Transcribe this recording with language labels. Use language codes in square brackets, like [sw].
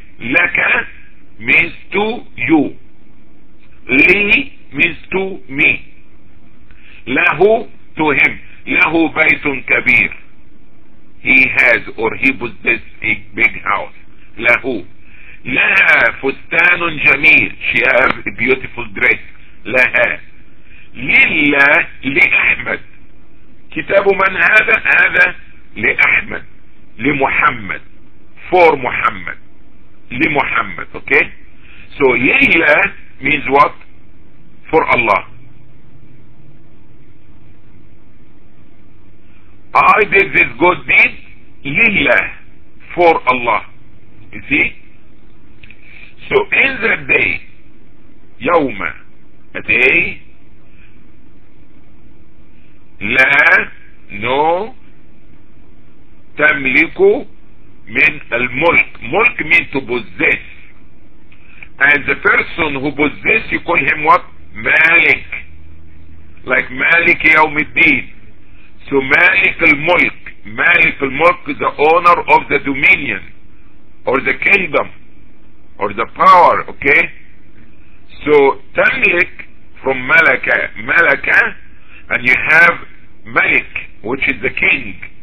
[en] لك means to you. لي means to me. له to him. [ar] له بيت كبير, [en] he has or he possesses a big house. [ar] له. لها فستان جميل, [en] she has a beautiful dress. [ar] لها. لله لأحمد, كتاب من هذا؟ هذا لأحمد, لمحمد, for محمد, لمحمد, okay. [en] So لله means what? For Allah. I did this good deed لله, for Allah. You see? So in that day, يوم, a day, لا, no, [ar] تملك من الملك. [en] ملك means to possess. And the person who possess, you call him what? [ar] مالك, like مالك يوم الدين. [en] So مالك الملك, مالك الملك, the owner of the dominion or the kingdom or the power, okay. So تملك from ملك, ملك, and you have ملك which is the king.